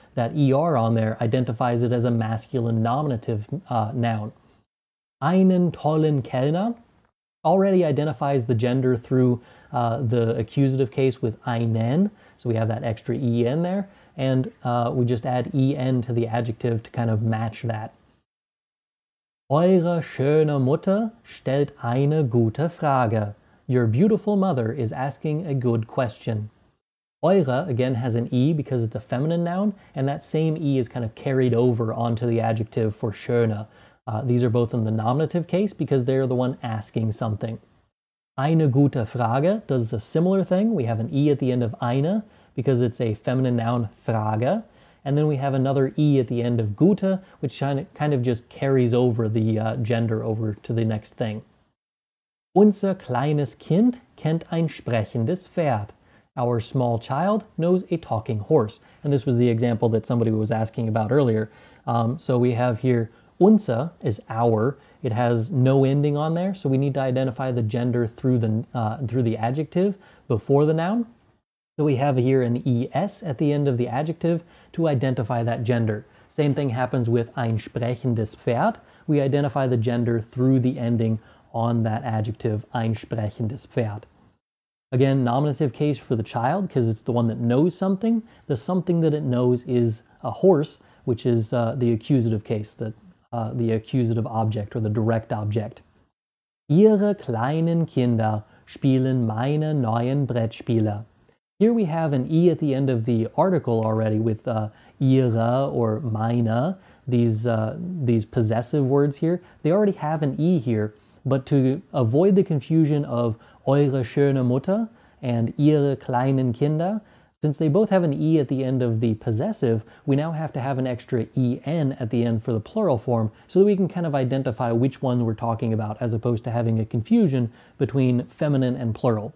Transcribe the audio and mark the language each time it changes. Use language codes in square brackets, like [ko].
[en] That ER on there identifies it as a masculine nominative noun. [de] Einen tollen Kellner [en] already identifies the gender through the accusative case with einen, so we have that extra en there, and we just add en to the adjective to kind of match that. [de] Eure schöne Mutter stellt eine gute Frage. [en] Your beautiful mother is asking a good question. Eure, again, has an e because it's a feminine noun, and that same e is kind of carried over onto the adjective for schöne. These are both in the nominative case because they're the one asking something. [de] Eine gute Frage [en] does a similar thing. We have an E at the end of eine because it's a feminine noun, Frage. And then we have another E at the end of gute, which kind of just carries over the gender over to the next thing. [de] Unser kleines Kind kennt ein sprechendes Pferd. [en] Our small child knows a talking horse. And this was the example that somebody was asking about earlier. So we have here, unser is our. It has no ending on there, so we need to identify the gender through the adjective before the noun. So we have here an ES at the end of the adjective to identify that gender. Same thing happens with [de] ein sprechendes Pferd. [en] We identify the gender through the ending on that adjective, [de] ein sprechendes Pferd. [en] Again, nominative case for the child because it's the one that knows something. The something that it knows is a horse, which is the accusative case, the accusative object or the direct object. [de] Ihre kleinen Kinder spielen meine neuen Brettspiele. [en] Here we have an E at the end of the article already with ihre or meine, these possessive words here. They already have an E here, but to avoid the confusion of [de] eure schöne Mutter [en] and [de] ihre kleinen Kinder, [en] since they both have an E at the end of the possessive, we now have to have an extra EN at the end for the plural form so that we can kind of identify which one we're talking about as opposed to having a confusion between feminine and plural.